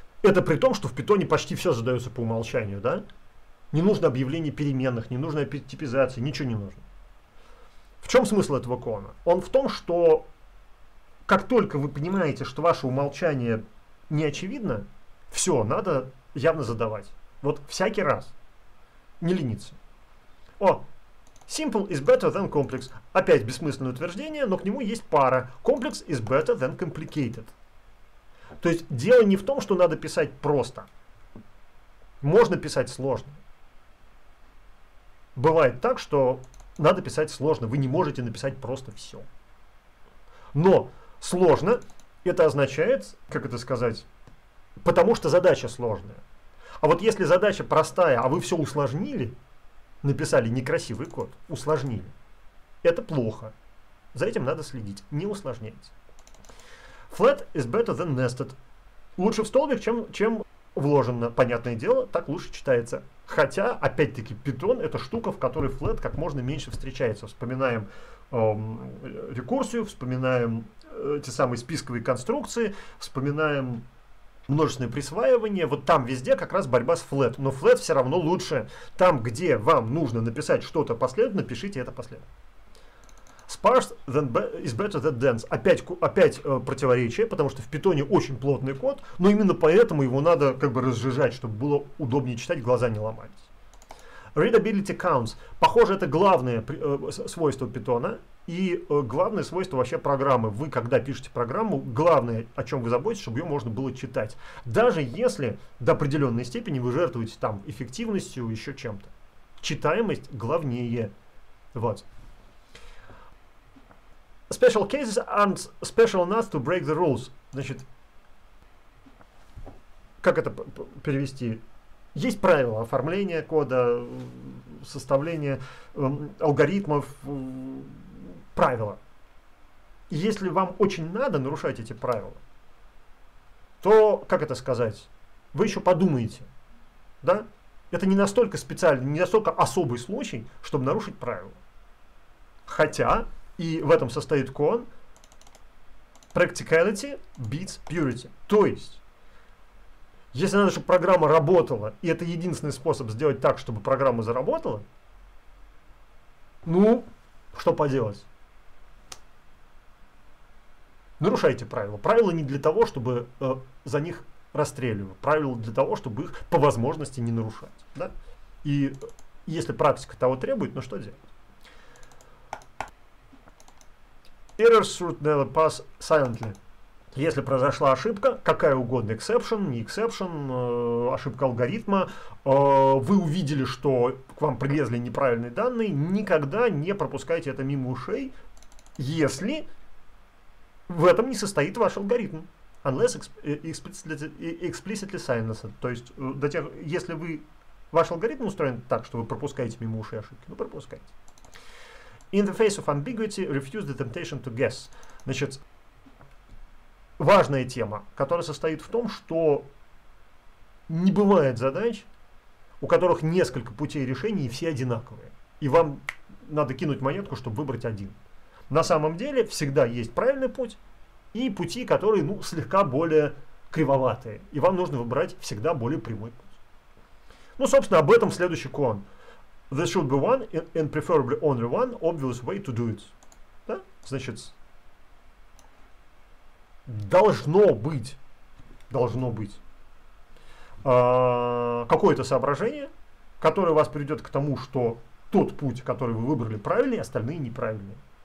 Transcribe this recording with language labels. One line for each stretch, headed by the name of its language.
Russian: Это при том, что в питоне почти все задается по умолчанию, да? Не нужно объявление переменных, не нужно типизации, ничего не нужно. В чем смысл этого клона? Он в том, что как только вы понимаете, что ваше умолчание не очевидно, все, надо явно задавать. Вот всякий раз. Не лениться.
English: О, simple is better than complex.
Russian: Опять бессмысленное утверждение, но к нему есть пара.
English: Complex is better than complicated.
Russian: То есть дело не в том, что надо писать просто. Можно писать сложно. Бывает так, что надо писать сложно. Вы не можете написать просто все. Но сложно это означает, как это сказать, потому что задача сложная. А вот если задача простая, а вы все усложнили, написали некрасивый код, усложнили, это плохо. За этим надо следить. Не усложняйте.
English: Flat is better than nested.
Russian: Лучше в столбик, чем вложено. Понятное дело, так лучше читается. Хотя, опять-таки, Python — это штука, в которой flat как можно меньше встречается. Вспоминаем рекурсию, вспоминаем те самые списковые конструкции, вспоминаем множественное присваивание. Вот там везде как раз борьба с flat. Но flat все равно лучше. Там, где вам нужно написать что-то последовательно, пишите это последовательно.
English: Sparse is better than dense.
Russian: Опять противоречие, потому что в питоне очень плотный код, но именно поэтому его надо как бы разжижать, чтобы было удобнее читать, глаза не ломались.
English: Readability counts.
Russian: Похоже, это главное свойство питона и главное свойство вообще программы. Вы, когда пишете программу, главное, о чем вы заботитесь, чтобы ее можно было читать. Даже если до определенной степени вы жертвуете там эффективностью, еще чем-то. Читаемость главнее. Вот.
English: Special cases aren't special enough to break the rules.
Russian: Значит, как это перевести? Есть правила оформления кода, составления алгоритмов, правила. Если вам очень надо нарушать эти правила, то, как это сказать, вы еще подумаете, да? Это не настолько специальный, не настолько особый случай, чтобы нарушить правила. Хотя и в этом состоит кон.
English: Practicality beats purity.
Russian: То есть, если надо, чтобы программа работала, и это единственный способ сделать так, чтобы программа заработала, ну, что поделать? Нарушайте правила. Правила не для того, чтобы за них расстреливать. Правила для того, чтобы их по возможности не нарушать. Да? И если практика того требует, ну что делать?
English: Errors should never pass silently.
Russian: Если произошла ошибка, какая угодно, exception, не exception, ошибка алгоритма, вы увидели, что к вам прилезли неправильные данные, никогда не пропускайте это мимо ушей, если в этом не состоит ваш алгоритм.
English: Unless explicitly silenced.
Russian: То есть, до тех, если вы ваш алгоритм устроен так, что вы пропускаете мимо ушей ошибки, ну пропускайте.
English: In the face of ambiguity, refuse the temptation to guess.
Russian: Значит, важная тема, которая состоит в том, что не бывает задач, у которых несколько путей решения и все одинаковые. И вам надо кинуть монетку, чтобы выбрать один. На самом деле всегда есть правильный путь и пути, которые, ну, слегка более кривоватые. И вам нужно выбрать всегда более прямой путь. Ну, собственно, об этом следующий клон.
English: There should be one, and preferably only one, obvious way to do it.
Russian: Да? Значит, должно быть какое-то соображение, которое вас приведет к тому, что тот путь, который вы выбрали, правильный, остальные неправильные.